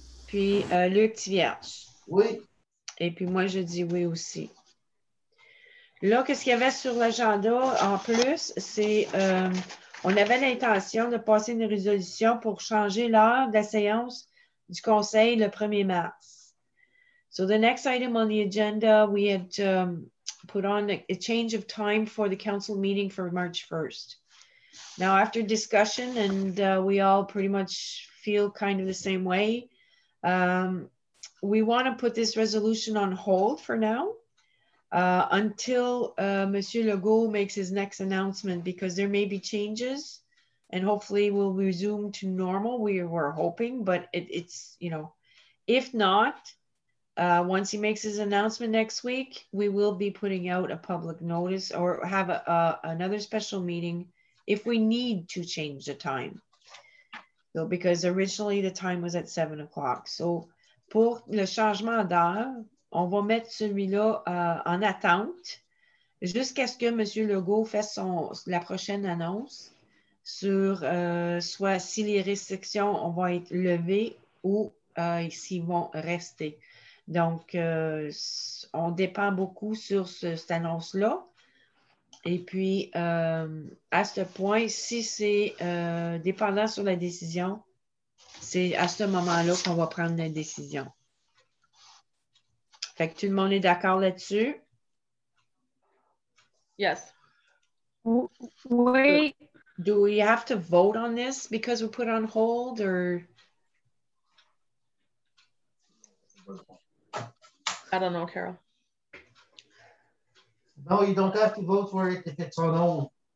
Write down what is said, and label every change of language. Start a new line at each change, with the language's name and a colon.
French: Puis Luc Thivierge. Oui. Et puis moi, je dis oui aussi. Là, qu'est-ce qu'il y avait sur l'agenda en plus, c'est on avait l'intention de passer une résolution pour changer l'heure de la séance du conseil le 1er mars.
English: So the next item on the agenda, we had put on a change of time for the council meeting for March 1st. Now, after discussion, and we all pretty much feel kind of the same way. We want to put this resolution on hold for now until Monsieur Legault makes his next announcement, because there may be changes and hopefully we'll resume to normal. We were hoping, but it's, you know, if not, once he makes his announcement next week, we will be putting out a public notice or have another special meeting if we need to change the time. So, because originally the time was at 7 o'clock.
French: So pour le changement d'heure, on va mettre celui-là en attente jusqu'à ce que M. Legault fasse la prochaine annonce sur soit si les restrictions vont être levées ou ici vont rester. Donc, on dépend beaucoup sur cette annonce-là. Et puis, à ce point, si c'est dépendant sur la décision, c'est à ce moment-là qu'on va prendre la décision. Fait que tout le monde est d'accord là-dessus?
English: Yes.
French: Oui.
English: Do we have to vote on this because we put it on hold or... I don't know, Carol. No, you don't have to vote for it if it's on hold.